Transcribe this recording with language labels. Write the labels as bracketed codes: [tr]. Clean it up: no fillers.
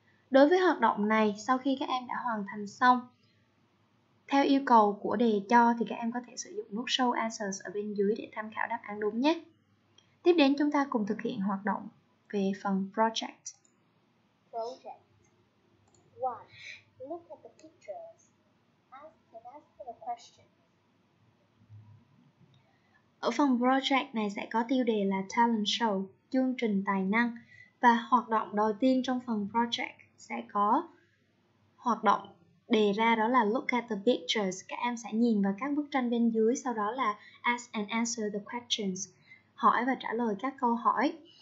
[vi] Đối với hoạt động này, sau khi các em đã hoàn thành xong theo yêu cầu của đề cho, thì các em có thể sử dụng nút Show Answers ở bên dưới để tham khảo đáp án đúng nhé. Tiếp đến chúng ta cùng thực hiện hoạt động về phần project. [en] Project 1. Look at the pictures. Ask and answer the question. [vi] Ở phần project này sẽ có tiêu đề là Talent Show, chương trình tài năng. Và hoạt động đầu tiên trong phần project sẽ có hoạt động đề ra đó là [en] look at the pictures. [vi] Các em sẽ nhìn vào các bức tranh bên dưới, sau đó là [en] ask and answer the questions, [vi] hỏi và trả lời các câu hỏi.